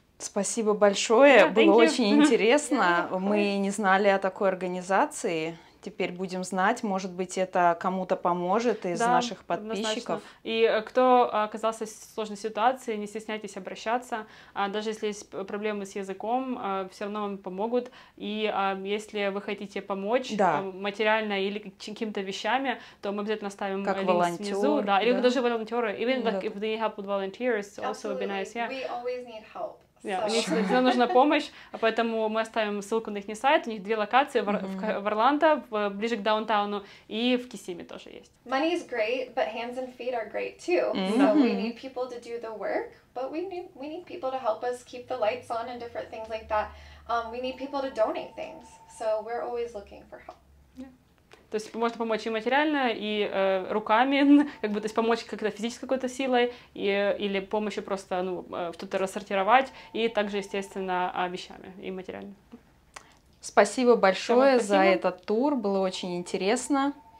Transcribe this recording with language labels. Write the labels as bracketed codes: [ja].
[ru] Спасибо большое, было очень интересно. Мы не знали о такой организации, теперь будем знать, может быть, это кому-то поможет из наших подписчиков. Однозначно. И кто оказался в сложной ситуации, не стесняйтесь обращаться. Даже если есть проблемы с языком, все равно вам помогут. И если вы хотите помочь материально или каким-то вещами, то мы обязательно ставим как линк волонтер, внизу. Да. Или даже волонтеры. [en] Even if they help with volunteers, it's also would be nice. Yeah. We always need help. [ru] Нам нужна помощь, поэтому мы оставим ссылку на их сайт. У них две локации, в Орландо, ближе к даунтауну, и в Кисиме тоже есть. [en] Money is great, but hands and feet are great too. So we need people to do the work, but we need people to help us keep the lights on and different things like that. We need people to donate things, so we're always looking for help. [ru] То есть можно помочь и материально, и руками, как бы, то есть помочь как-то физической какой-то силой, и, или помощью просто что-то рассортировать, и также, естественно, вещами и материально. Спасибо большое за этот тур, было очень интересно.